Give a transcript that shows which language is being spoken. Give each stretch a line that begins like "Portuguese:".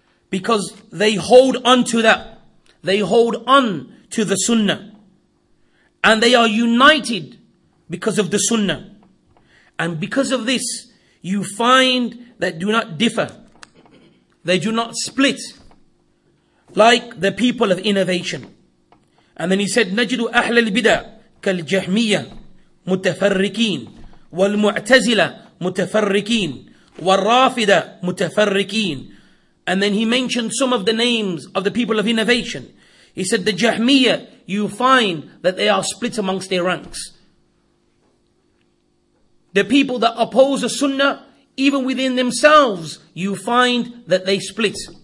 English: Because they hold on to that. They hold on to the Sunnah. And they are united because of the Sunnah. And because of this, you find that do not differ. They do not split like the people of innovation. And then he said,
Arabic: نَجِدُ أَحْلَ الْبِدَعِ كَالْجَحْمِيَّةِ مُتَفَرِّكِينَ وَالْمُعْتَزِلَةِ مُتَفَرِّكِينَ وَالرَّافِدَ مُتَفَرِّكِينَ.
English: And then he mentioned some of the names of the people of innovation. He said, the Jahmiyyah, you find that they are split amongst their ranks. The people that oppose the Sunnah, even within themselves, you find that they split.